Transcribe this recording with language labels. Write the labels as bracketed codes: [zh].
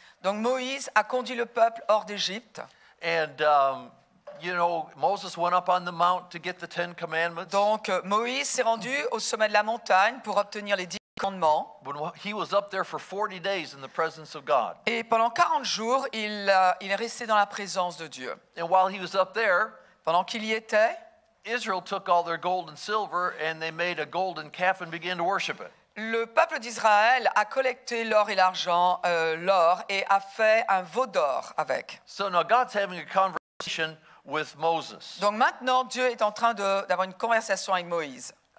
[fr] Donc Moïse a conduit le peuple hors d'Égypte. [en] And you know, Moses went up on the mount to get the Ten Commandments. [fr] Donc Moïse s'est rendu au sommet de la montagne pour obtenir les 10 commandements. [en] But he was up there for 40 days in the presence of God. [fr] Et pendant 40 jours, il est resté dans la présence de Dieu. [en] And while he was up there, [fr] pendant qu'il y était, [en] Israel took all their gold and silver and they made a golden calf and began to worship it. [fr] Le peuple d'Israël a collecté l'or et l'argent, l'or, et a fait un veau d'or avec. [en] So now God's having a conversation with Moses. [fr] Donc maintenant, Dieu est en train d'avoir une conversation avec Moïse.